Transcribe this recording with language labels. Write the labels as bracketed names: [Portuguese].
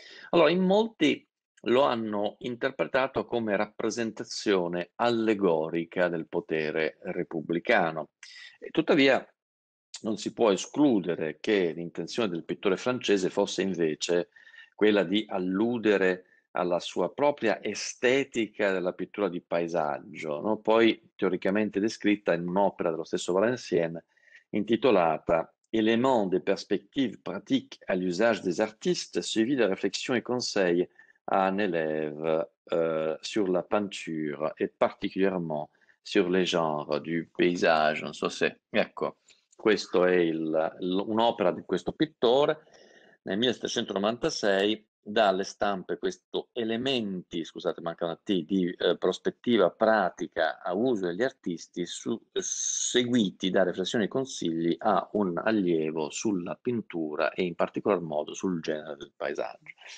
[Italian] Allora, in molti lo hanno interpretato come rappresentazione allegorica del potere repubblicano. E tuttavia, non si può escludere che l'intenzione del pittore francese fosse invece quella di alludere alla sua propria estetica della pittura di paesaggio, no? Poi teoricamente descritta in un'opera dello stesso Valenciennes intitolata [French] Éléments de perspective pratique à l'usage des artistes, suivi de réflexions et conseils à un élève sur la peinture et particulièrement sur les genres du paysage. [Italian] Non so se, ecco, questo è un'opera di questo pittore nel 1796, dalle stampe, questo elementi, scusate, manca una T, di prospettiva pratica a uso degli artisti, seguiti da riflessioni e consigli a un allievo sulla pintura e in particolar modo sul genere del paesaggio.